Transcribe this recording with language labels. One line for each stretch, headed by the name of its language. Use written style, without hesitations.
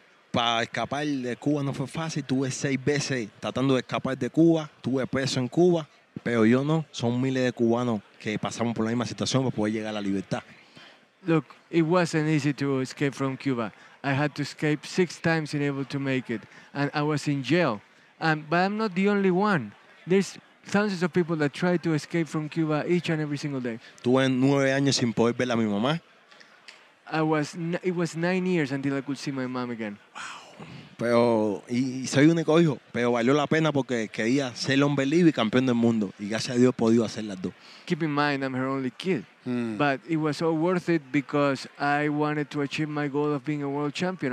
Spanish: Para escapar de Cuba no fue fácil. Tuve 6 veces tratando de escapar de Cuba. Tuve preso en Cuba, pero yo no. Son miles de cubanos que pasamos por la misma situación para poder llegar a la libertad.
English: Look, it wasn't easy to escape from Cuba. I had to escape 6 times and able to make it. And I was in jail. But I'm not the only one. There's thousands of people that try to escape from Cuba each and every single day.
Spanish: Tuve 9 años sin poder ver a mi mamá.
English: It was 9 years until I could see my mom again. Wow.
Spanish: Pero, y soy único hijo. Pero valió la pena porque quería ser hombre libre y campeón del mundo. Y gracias a Dios he podido hacer las dos.
English: Keep in mind, I'm her only kid. Hmm. But it was all worth it because I wanted to achieve my goal of being a world champion.